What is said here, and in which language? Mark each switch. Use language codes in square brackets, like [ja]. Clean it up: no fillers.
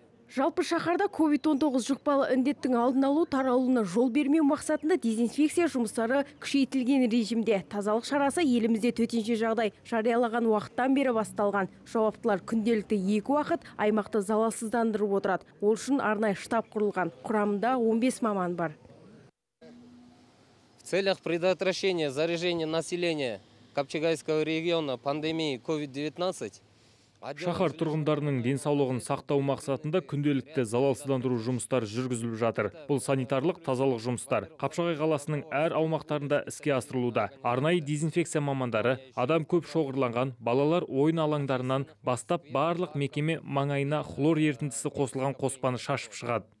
[kk] Жалпы шаһарда COVID-19 жұқпалы індеттің алдын алу таралуына жол бермеу мақсатында дезинфекция жұмыстары күшейтілген режимде. Тазалық шарасы елімізде төтенше жағдай жариялаған уақыттан бері басталған. Жауаптылар күнделікті 2 уақыт аймақты залалсыздандырып отырады. Ол үшін арнайы штаб құрылған. Құрамында 15 маман бар. [ru] В целях предотвращения заражения населения Капчагайского региона пандемией COVID-19 [kk] Шахар тұрғындарының денсаулығын сақтау мақсатында күнделікті залалсыздандыру жұмыстар жүргізіліп жатыр. Бұл санитарлық тазалық жұмыстар. Қапшағай қаласының әр аумақтарында іске асырылуда. Арнайы дезинфекция мамандары, адам көп шоғырланған, балалар ойын алаңдарынан бастап барлық мекеме маңайына хлор ерітіндісі қосылған қоспаны шашып шығады.